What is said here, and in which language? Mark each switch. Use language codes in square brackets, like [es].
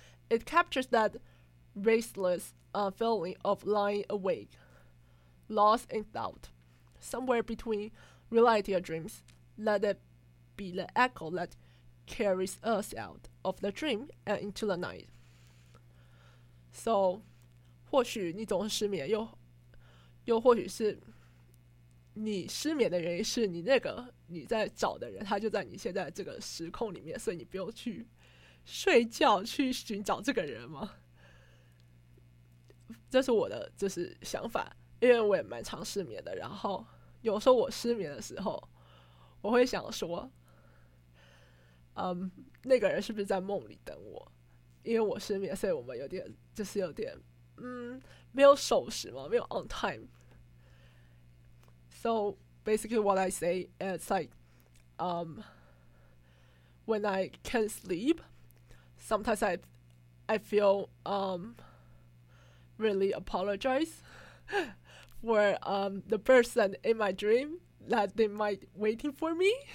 [en] It captures that restless feeling of lying awake, lost in doubt, somewhere between reality and dreams. Let it be the echo that carries us out of the dream and into the night. [zh] So, 或许你总是失眠又 又或许是你失眠的原因是你那个你在找的人，他就在你现在这个时空里面，所以你不用去睡觉去寻找这个人吗？这是我的就是想法，因为我也蛮常失眠的，然后有时候我失眠的时候我会想说那个人是不是在梦里等我，因为我失眠，所以我们有点就是有点没有守时嘛，没有 [en] on time。 So basically what I say is like when I can't sleep, sometimes I feel really apologize for the person in my dream that they might waiting for me.